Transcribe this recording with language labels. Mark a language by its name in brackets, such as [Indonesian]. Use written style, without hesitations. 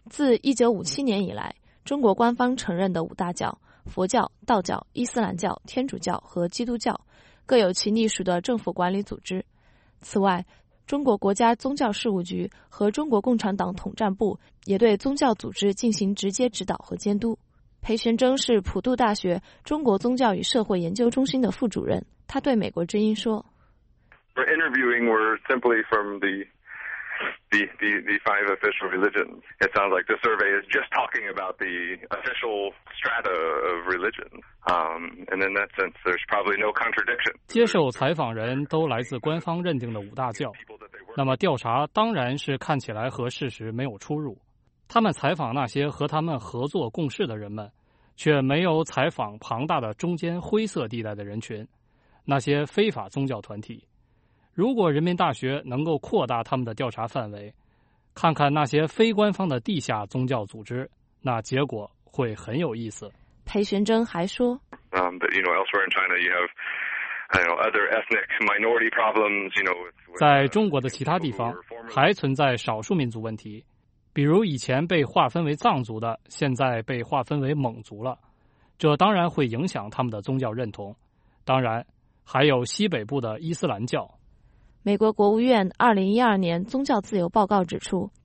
[Chinese] 自1957年以来，中国官方承认的五大教，佛教、道教、伊斯兰教、天主教和基督教，各有其隶属的政府管理组织。此外，中国国家宗教事务局和中国共产党统战部也对宗教组织进行直接指导和监督。裴玄征是普渡大学中国宗教与社会研究中心的副主任，他对美国之音说， [English] We're interviewing, we're simply from the five official religions. It sounds like the survey is just talking about the official strata of religion. And in that sense, there's probably no contradiction. [Chinese] 接受采访人都来自官方认定的五大教，那么调查当然是看起来和事实没有出入。他们采访那些和他们合作共事的人们，却没有采访庞大的中间灰色地带的人群，那些非法宗教团体。如果人民大学能够扩大他们的调查范围，看看那些非官方的地下宗教组织，那结果会很有意思。裴玄征还说， [English] elsewhere in China you have, other ethnic minority problems, with [Chinese] 在中国的其他地方还存在少数民族问题，比如以前被划分为藏族的，现在被划分为蒙族了，这当然会影响他们的宗教认同。当然，还有西北部的伊斯兰教。美国国务院2012年宗教自由报告指出，